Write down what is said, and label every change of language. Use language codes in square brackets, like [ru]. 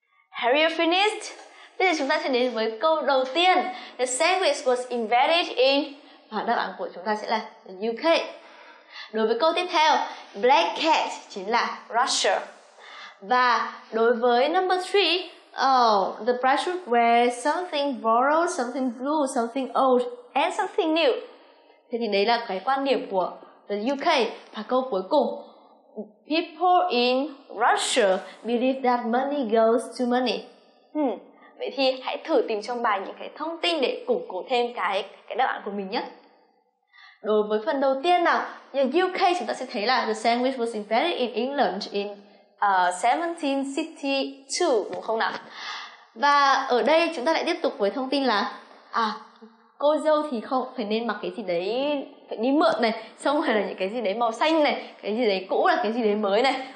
[en] Have you finished? [vi] Bây giờ chúng ta sẽ đến với câu đầu tiên. [en] The sandwich was invented in... [vi] Và đáp án của chúng ta sẽ là UK. Đối với câu tiếp theo, Black Cat chính là Russia. Và đối với [en] number 3, the bridesmaid wear something borrowed, something blue, something old, and something new. [vi] Thế thì đấy là cái quan điểm của the UK. Và câu cuối cùng, [en] people in Russia believe that money goes to money. [vi] Vậy thì hãy thử tìm trong bài những cái thông tin để củng cố thêm cái đáp án của mình nhé. Đối với phần đầu tiên nào, the UK chúng ta sẽ thấy là [en] the sandwich was invented in England in 1762 [vi] đúng không nào? Và ở đây chúng ta lại tiếp tục với thông tin là cô dâu thì không phải nên mặc cái gì đấy, phải đi mượn này, xong rồi là những cái gì đấy màu xanh này, cái gì đấy cũ là cái gì đấy mới này.